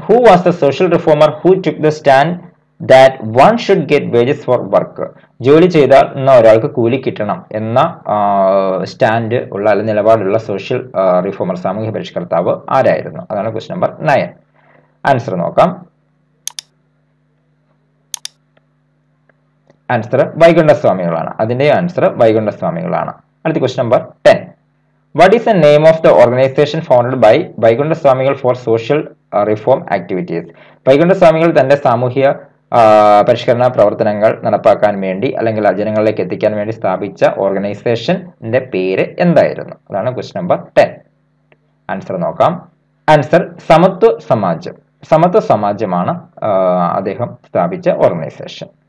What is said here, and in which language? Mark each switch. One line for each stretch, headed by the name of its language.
English: Who was the social reformer who took the stand that one should get wages for work?
Malayalam: ജോലി ചെയ്താൽ എന്നാൽ ഒരാൾക്ക് കൂലി കിട്ടണം എന്ന സ്റ്റാൻഡ് ഉള്ള അല്ലെങ്കിൽ നിലപാടുള്ള സോഷ്യൽ റിഫോമർ, സാമൂഹ്യ പരിഷ്കർത്താവ് ആരായിരുന്നു? അതാണ് ക്വസ്റ്റ് നമ്പർ 9. ആൻസർ നോക്കാം. ആൻസർ വൈകുണ്ഠസ്വാമികളാണ്, അതിൻ്റെ ആൻസർ വൈകുണ്ഠസ്വാമികളാണ്. അടുത്ത question number 10.
English: What is the name of the organization founded by Vaikunthaswamigal for social reform activities?
Malayalam: Vaikunthaswamigal തന്റെ സാമൂഹ്യ പരിഷ്കരണ പ്രവർത്തനങ്ങൾ നടപ്പാക്കാൻ വേണ്ടി അല്ലെങ്കിൽ ജനങ്ങളിലേക്ക് എത്തിക്കാൻ വേണ്ടി സ്ഥാപിച്ച ഓർഗനൈസേഷന്റെ പേര് എന്തായിരുന്നു? അതാണ് ക്വസ്റ്റ് നമ്പർ 10. ആൻസർ നോക്കാം. ആൻസർ സമത്വ സമാജം. സമത്വ സമാജമാണ് അദ്ദേഹം സ്ഥാപിച്ച ഓർഗനൈസേഷൻ.